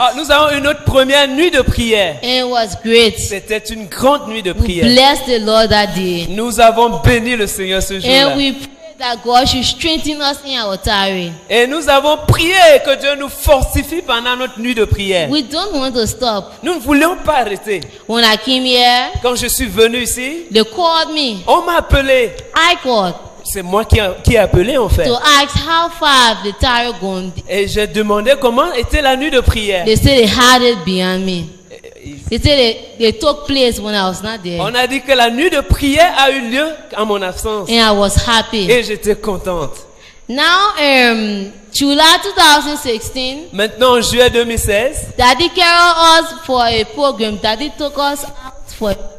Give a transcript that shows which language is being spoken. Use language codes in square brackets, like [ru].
[fr] Ah, nous avons une autre première nuit de prière. [en] And it was great. [fr] C'était une grande nuit de prière. [en] We blessed the Lord that day. [fr] Nous avons béni le Seigneur ce jour-là. [en] And we prayed that God should strengthen us in our tarry. [fr] Et nous avons prié que Dieu nous fortifie pendant notre nuit de prière. [en] We don't want to stop. [fr] Nous ne voulions pas arrêter. [en] When I came here, [fr] quand je suis venu ici, [en] they called me. [fr] On m'a appelé. [en] I called. [fr] C'est moi qui ai appelé en fait. [en] To ask how far the tarry gone. [fr] Et j'ai demandé comment était la nuit de prière. [en] They said they had it behind me. They said they took place when I was not there. [fr] On a dit que la nuit de prière a eu lieu en mon absence. [en] And I was happy. [fr] Et j'étais contente. [en] Now, July 2016. [fr] Maintenant, juillet 2016. [en] Daddy carried us for a program. Daddy took us out for.